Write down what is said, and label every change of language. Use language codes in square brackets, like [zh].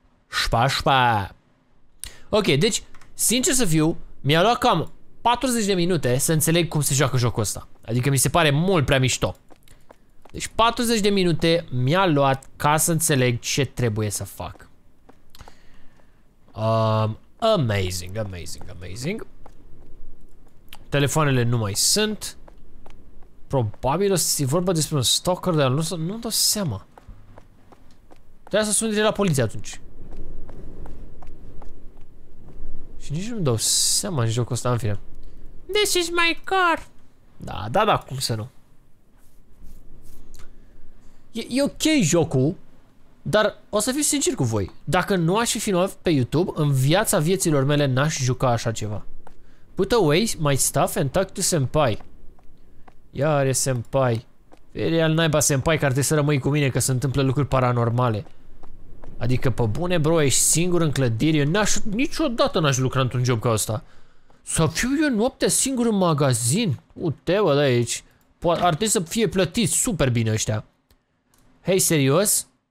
[ro] Șpa, șpa. Ok, deci, sincer să fiu, mi-a luat cam 40 de minute să înțeleg cum se joacă jocul ăsta. Adică mi se pare mult prea mișto. Deci 40 de minute mi-a luat ca să înțeleg ce trebuie să fac. [en] Amazing, amazing, amazing. [ro] Telefoanele nu mai sunt. Probabil o să-i vorba despre un stalker, dar nu-mi dau seama. Trebuie să sun de la poliție atunci. Și nici nu-mi dau seama în jocul ăsta, în fine. [en] This is my car. [ro] Da, cum să nu. E ok jocul, dar o să fiu sincer cu voi. Dacă nu aș fi filmat pe YouTube, în viața vieților mele n-aș juca așa ceva. [en] Put away my stuff and talk to senpai. [ro] Iar e senpai. Fie al naiba senpai că ar trebui să rămâi cu mine că se întâmplă lucruri paranormale. Adică, pe bune, bro, ești singur în clădire, niciodată n-aș lucra într-un job ca ăsta. Să fiu eu noaptea singur în magazin? Uite, bă, de aici. Ar trebui să fie plătiți super bine ăștia. Hei, serios?